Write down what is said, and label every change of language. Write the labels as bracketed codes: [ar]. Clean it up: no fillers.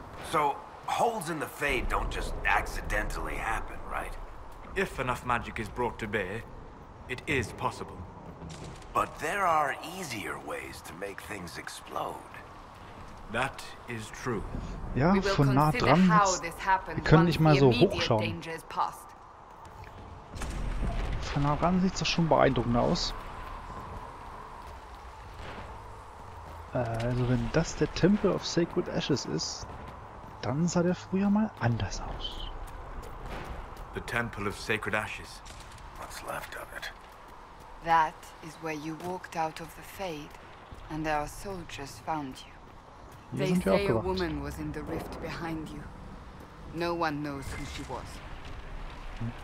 [en] So, holes in the Fade don't just accidentally happen, right? If enough magic is brought to bear, it is possible. But there are easier ways to make things explode. That is true. [de] Ja, von nah dran. Wir können nicht mal so hochschauen. Von nah dran sieht es doch schon beeindruckend aus. Also wenn das der Temple of Sacred Ashes ist, dann sah der früher mal anders aus. [en] The Temple of Sacred Ashes. What's left of it? That is where you walked out of the Fade, and our soldiers found you. They say a woman was in the rift behind you. No one knows who she was.